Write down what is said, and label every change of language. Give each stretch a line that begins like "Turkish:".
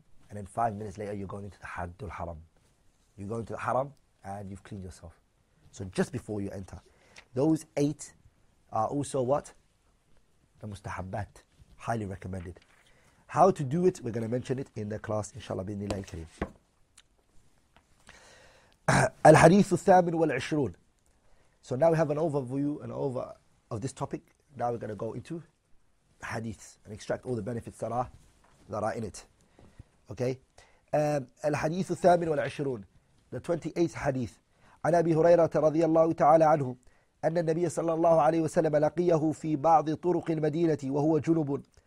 English: And then 5 minutes later, you're going into the Haddul Haram. You go into the Haram and you've cleaned yourself. So just before you enter, those eight are also what? The Mustahabbat. Highly recommended. How to do it, we're going to mention it in the class, inshallah, bin Nilay Kareem.
Arabic: الحديث الثامن والعشرون.
English: So now we have an overview and over of this topic. Now we're going to go into hadiths and extract all the benefits that are in it. Okay.
Arabic: الحديث الثامن والعشرون.
English: The 28th hadith.
Arabic: عن أبي هريرة رضي الله تعالى عنه أن النبي صلى الله عليه وسلم لقيه في بعض طرق المدينة وهو جنب.